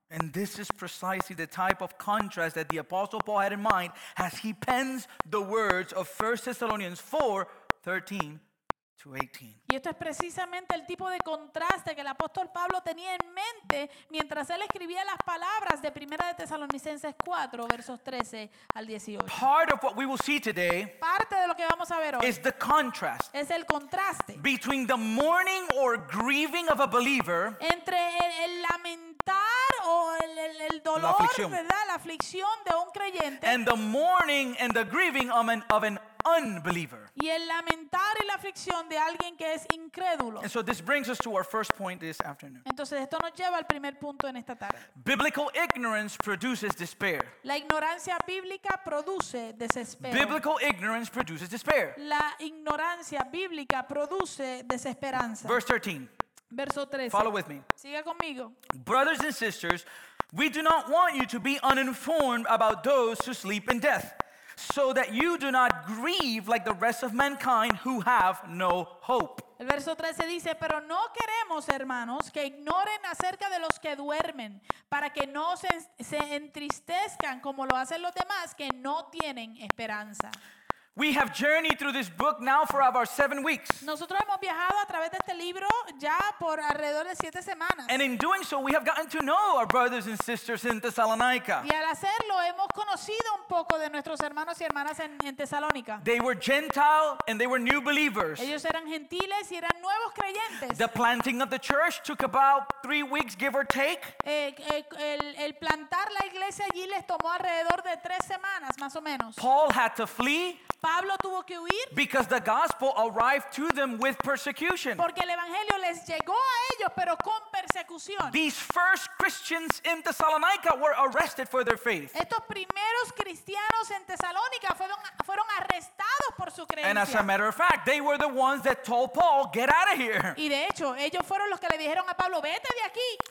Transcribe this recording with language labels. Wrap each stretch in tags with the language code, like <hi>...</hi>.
<en>And this is precisely the type of contrast that the Apostle Paul had in mind as he pens the words of 1 Thessalonians 4:13-18.</en> <es>Y esto es precisamente el tipo de contraste que el apóstol Pablo tenía en mente mientras él escribía las palabras de 1 de Tesalonicenses 4, versos 13 al 18.</es> <en>Part of what we will see today,</en> <es>parte de lo que vamos a ver hoy,</es> <en>is the contrast,</en> <es>es el contraste</es> <en>between the mourning or grieving of a believer,</en> <es>entre el lamentar o el dolor, la aflicción, ¿verdad? La aflicción de un creyente,</es> <en>and the mourning and the grieving of an unbeliever.</en> <es>Y el lamentar y la aflicción de alguien que es incrédulo.</es> <en>And so this brings us to our first point this afternoon.</en> <es>Entonces esto nos lleva al primer punto en esta tarde.</es> <en>Biblical ignorance produces despair.</en> <es>La ignorancia bíblica produce desespero.</es> <en>Biblical ignorance produces despair.</en> <es>La ignorancia bíblica produce desesperanza.</es> <en>Verse 13.</en> <es>Verso 13.</es> <en>Follow with me.</en> <es>Siga conmigo.</es> <en>Brothers and sisters, we do not want you to be uninformed about those who sleep in death, so that you do not grieve like the rest of mankind who have no hope.</en> <es>El verso 13 dice, pero no queremos, hermanos, que ignoren acerca de los que duermen, para que no se entristezcan como lo hacen los demás que no tienen esperanza.</es> <en>We have journeyed through this book now for about 7 weeks.</en> <es>Nosotros hemos viajado a través de este libro ya por alrededor de 7 semanas.</es> <en>And in doing so, we have gotten to know our brothers and sisters in Thessalonica.</en> <es>Y al hacerlo, hemos conocido un poco de nuestros hermanos y hermanas en Tesalónica.</es> <en>They were Gentile and they were new believers.</en> <es>Ellos eran gentiles y eran nuevos creyentes.</es> <en>The planting of the church took about 3 weeks, give or take.</en> <es>El plantar la iglesia allí les tomó alrededor de 3 semanas, más o menos.</es> <en>Paul had to flee.</en> <es>Pablo tuvo que huir.</es> <en>Because the gospel arrived to them with persecution.</en> <es>Porque el evangelio les llegó a ellos, pero con persecución.</es> <en>These first Christians in Thessalonica were arrested for their faith.</en> <es>Estos primeros cristianos en Tesalónica fueron arrestados por su creencia.</es> <en>And as a matter of fact, they were the ones that told Paul, "Get out of here."</en> <es>Y de hecho, ellos fueron los que le dijeron a Pablo, "Vete de aquí."</es>